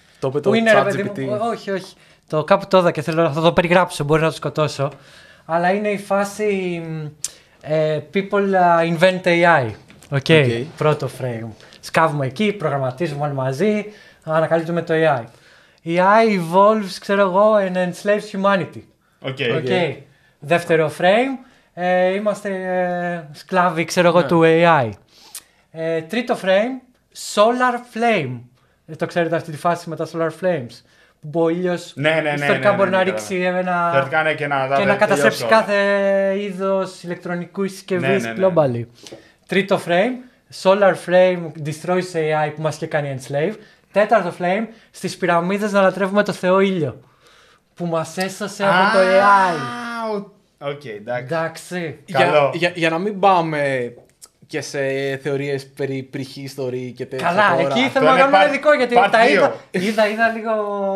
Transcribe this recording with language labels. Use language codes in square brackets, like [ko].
[el] Το είπε το ChatGPT. Όχι, όχι. Το κάπου τώρα και θέλω να το περιγράψω, μπορεί να το σκοτώσω. Αλλά είναι η φάση [en] people invent AI. Okay. Okay. [el] Πρώτο frame. Σκάβουμε εκεί, προγραμματίζουμε όλοι μαζί, ανακαλύπτουμε το AI. [en] AI evolves, [el] ξέρω εγώ, [en] and enslaves humanity. Okay. Okay. Okay. [el] Δεύτερο frame. Είμαστε σκλάβοι, ξέρω εγώ, yeah. του AI. Τρίτο frame. Solar flame. Το ξέρετε αυτή τη φάση με τα solar flames. Που ο ήλιος ιστορικά μπορεί να ρίξει και να καταστρέψει κάθε είδος ηλεκτρονικού συσκευής globally. Τρίτο frame, [en] solar frame destroys AI [el] που μας είχε κάνει enslave. Τέταρτο frame, στις πυραμίδες να λατρεύουμε το Θεό ήλιο που μας έσωσε από το AI. Οκ, εντάξει. Εντάξει. Για να μην πάμε και σε θεωρίες περί πριχίστορη και τέτοια. Καλά, τώρα. Εκεί ήθελα να κάνω ένα ειδικό γιατί τα είδα λίγο.